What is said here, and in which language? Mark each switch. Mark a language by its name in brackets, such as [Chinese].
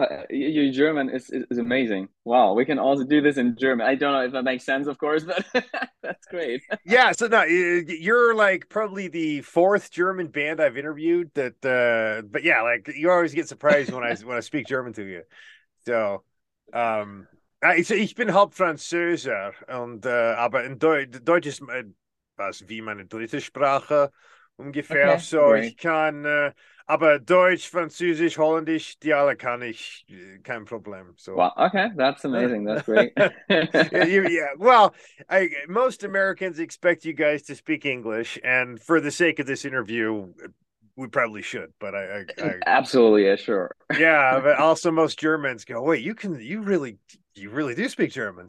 [English] Your German is amazing. Wow, we can also do this in German. I don't know if that makes sense, of course, but that's great. Yeah, so no, you're like probably the fourth German band I've interviewed that, but yeah, like you always get surprised when I speak German to you. [German] So, ich bin Hauptfranzöser, aber in Deutsch ist wie meine dritte Sprache ungefähr. [English] Okay, so great. [German] Ich kann, aber Deutsch, Französisch, Holländisch, die alle kann ich, kein Problem. [English] So. Wow, okay, that's amazing. That's great. yeah. Well, most Americans expect you guys to speak English, and for the sake of this interview, we probably should, but I absolutely, yeah, sure. Yeah, but also most Germans go, wait, you really do speak German.